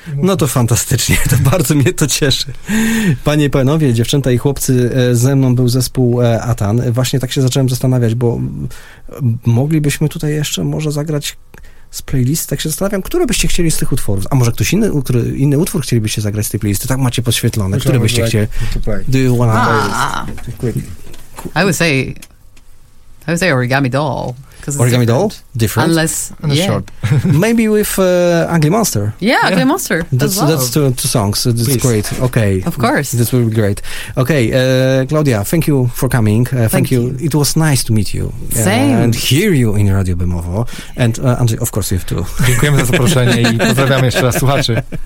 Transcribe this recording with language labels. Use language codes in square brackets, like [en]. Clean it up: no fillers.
[pl] No to fantastycznie, to bardzo mnie to cieszy. Panie i panowie, dziewczęta i chłopcy, ze mną był zespół Aten. Właśnie tak się zacząłem zastanawiać, bo moglibyśmy tutaj jeszcze może zagrać z playlisty, tak się zastanawiam, które byście chcieli z tych utworów, a może ktoś inny, inny utwór chcielibyście zagrać z tej playlisty, tak macie podświetlone, które byście chcieli? [en] Do you wanna play? I would say Origami Doll. Origami different. Doll? Different? Unless, yeah. Short. Maybe with Ugly Monster. Yeah, Ugly Monster. That's, well. That's two songs. That's please. Great. Okay. Of course. This will be great. Okay, Claudia, thank you for coming. Thank you. It was nice to meet you. Same. And hear you in Radio Bemowo. And Andrzej, of course you have too. [pl] Dziękujemy za zaproszenie i pozdrawiamy jeszcze raz słuchaczy.